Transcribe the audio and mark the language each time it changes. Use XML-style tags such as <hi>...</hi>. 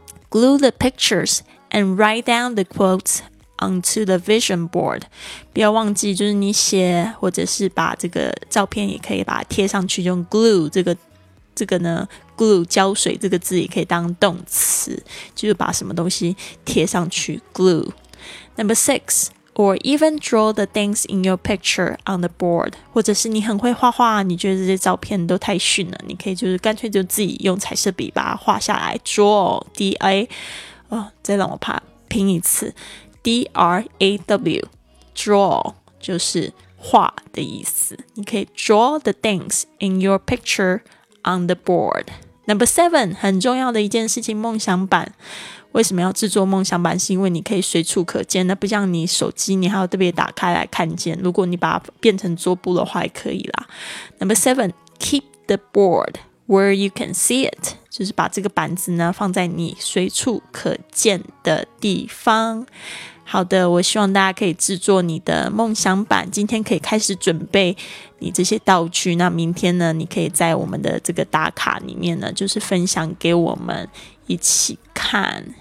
<en>Glue the pictures and write down the quotes onto the vision board.</en> <zh>不要忘记就是你写或者是把这个照片也可以把它贴上去，用 glue 这个呢 glue 胶水这个字也可以当动词，就是把什么东西贴上去 glue.</zh> <en>Number six, or even draw the things in your picture on the board.</en> <zh>或者是你很会画画，你觉得这些照片都太逊了，你可以就是干脆就自己用彩色笔把它画下来。 Draw, D-A、哦、再让我拼一次 D-R-A-W, draw 就是画的意思，你可以</zh> <en>draw the things in your pictureOn the board. Number seven,</en> <zh>很重要的一件事情，梦想版。为什么要制作梦想版？是因为你可以随处可见，那不像你手机，你还要特别打开来看见。如果你把它变成桌布的话，也可以啦。 Number seven, keep the board where you can see it. 就是把这个板子呢，放在你随处可见的地方。好的，我希望大家可以制作你的梦想版，今天可以开始准备你这些道具，那明天呢你可以在我们的这个打卡里面呢就是分享给我们一起看。</zh>